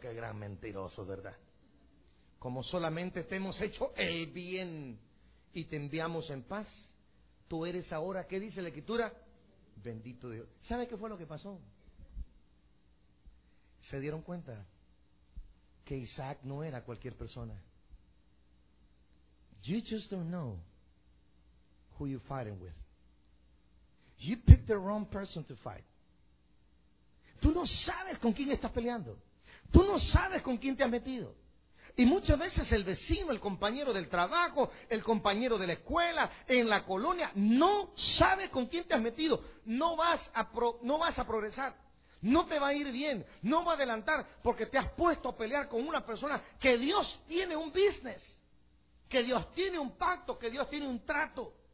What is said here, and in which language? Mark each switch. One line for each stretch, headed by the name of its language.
Spanish: Qué gran mentiroso, ¿verdad? Como solamente te hemos hecho el bien y te enviamos en paz, tú eres ahora, ¿qué dice la Escritura? Bendito Dios. ¿Sabe qué fue lo que pasó? Se dieron cuenta que Isaac no era cualquier persona.
English: You just don't know who you're fighting with. You picked the wrong person to fight.
Spanish: Tú no sabes con quién estás peleando. Tú no sabes con quién te has metido. Y muchas veces el vecino, el compañero del trabajo, el compañero de la escuela, en la colonia, no sabe con quién te has metido. No vas a progresar, no te va a ir bien, no va a adelantar, porque te has puesto a pelear con una persona que Dios tiene un business, que Dios tiene un pacto, que Dios tiene un trato.